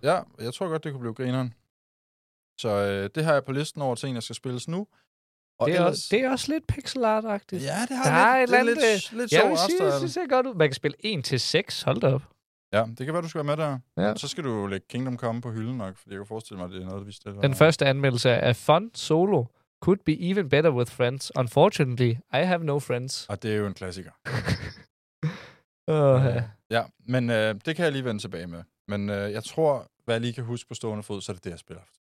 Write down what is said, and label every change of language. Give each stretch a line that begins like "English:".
Danish: Ja, jeg tror godt, det kunne blive grineren. Så det her er på listen over ting, der skal spilles nu. Og det, er ellers... det er også lidt pixel art-agtigt. Ja, det har der lidt, er det lidt, lidt ja, sjovt. Jeg synes, det ser godt ud. Man kan spille 1-6, hold da op. Ja, det kan være, du skal være med der. Ja. Så skal du lægge Kingdom Come på hylden nok, fordi jeg kan forestille mig, at det er noget, vi stiller. Den første anmeldelse er fun solo.
English: Could be even better with friends. Unfortunately, I have no friends.
Danish: Og det er jo en klassiker. Okay. Ja, men det kan jeg lige vende tilbage med. Men jeg tror, hvad jeg lige kan huske på stående fod, så er det det, jeg spiller.